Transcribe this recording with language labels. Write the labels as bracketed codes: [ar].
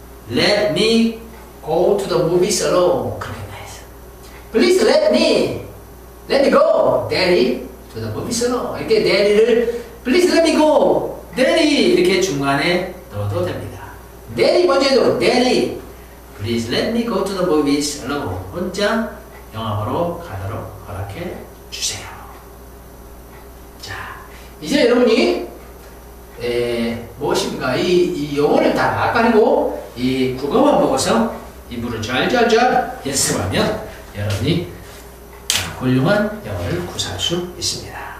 [en] Let me go to the movies alone. [ko] 그렇게 말해서. [en] Please let me go, Daddy, to the movies alone. [ko] 이렇게 [en] Daddy를 Please let me go, Daddy. [ko] 이렇게 중간에 넣어도 됩니다. Daddy 먼저 해도 Daddy. [en] Please let me go to the movies alone. [ko] 혼자 영화보러 가도록 허락해 주세요. 자, 이제 여러분이 무엇입니까? 이 영어를 다 아까리고 이 국어만 보고서 이부를 잘 연습하면 여러분이 훌륭한 영어를 구사할 수 있습니다.